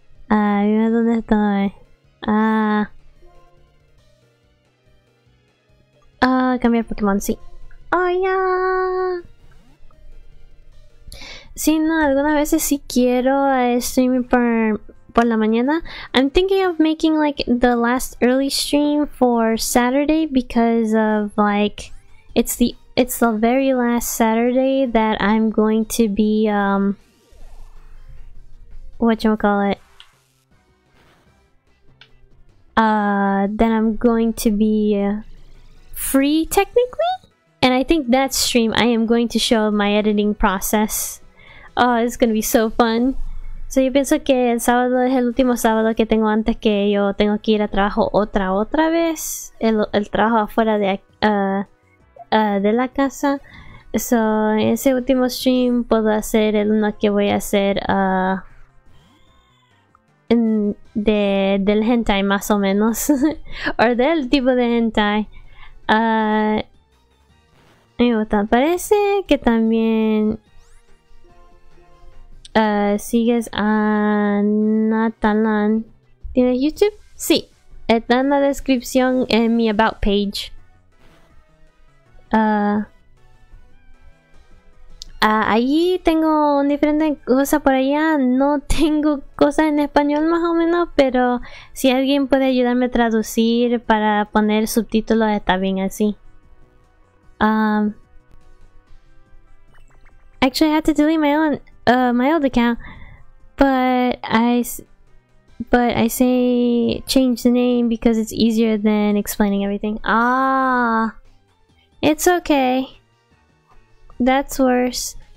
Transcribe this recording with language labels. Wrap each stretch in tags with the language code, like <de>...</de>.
<es>Ah, dime dónde estoy. Ah. Ah, cambiar Pokémon, sí.</es> <en>Oh, yeah.</en> <es>Sí, no, algunas veces sí quiero streaming por la mañana.</es> <en>I'm thinking of making like the last early stream for Saturday because of like it's the very last Saturday that I'm going to be whatchamacallit? That I'm going to be free technically, and I think that stream I am going to show my editing process. Oh, it's gonna be so fun.</en> <es>So yo pienso que el sábado es el último sábado que tengo antes que yo tengo que ir a trabajo otra vez. El trabajo afuera de la casa. So, en ese último stream puedo hacer el uno que voy a hacer del hentai más o menos. O del tipo de hentai. Parece que también sigues a Natalan. ¿Tienes YouTube? Sí, está en la descripción en mi About page. Ahí tengo un diferente cosa por allá. No tengo cosas en español más o menos, pero si alguien puede ayudarme a traducir para poner subtítulos, está bien así.</es> <en>Actually, I had to delete my old account, but I say change the name because it's easier than explaining everything. Ah. It's okay. That's worse.</en>